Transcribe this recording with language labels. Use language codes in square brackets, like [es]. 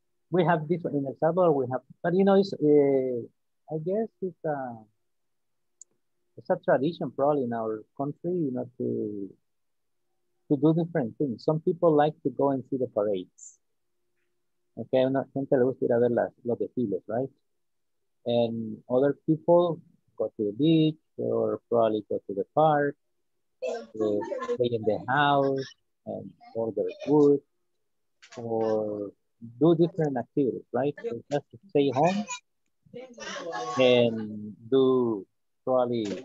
[en] We have different in El Salvador, but you know, it's, I guess it's a. It's a tradition probably in our country, you know, to do different things. Some people like to go and see the parades. [es] Okay, una gente le gusta ir a ver los desfiles, right? [en] And other people go to the beach or probably go to the park, stay in the house and order food or do different activities, right? So just to stay home and do probably